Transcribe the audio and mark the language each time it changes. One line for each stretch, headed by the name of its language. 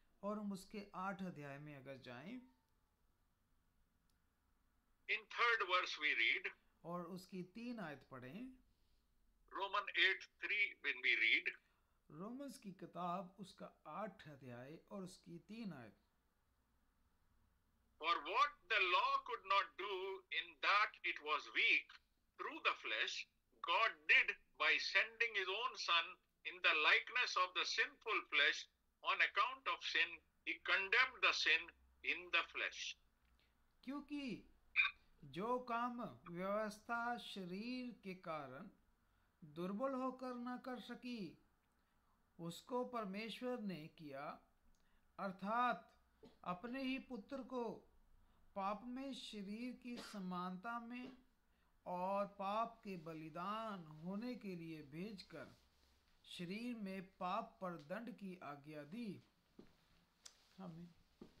Hindi: और हम उसके 8 अध्याय में अगर जाएं
English: in 3rd verse we read
Hindi: और उसकी 3 आयत पढ़ें
English: Roman 8:3 when we read
Hindi: Romans की किताब उसका 8 अध्याय और उसकी 3 आयत
English: For what the law could not do in that it was weak through the flesh, God did by sending his own son in the likeness of the sinful flesh on account of sin, he condemned the sin in the flesh.
Hindi: क्योंकि जो काम व्यवस्था शरीर के कारण दुर्बल होकर ना कर सकी, उसको परमेश्वर ने किया, अर्थात अपने ही पुत्र को पाप में शरीर की समानता में और पाप के बलिदान होने के लिए भेजकर शरीर में पाप पर दंड की आज्ञा दी आमीन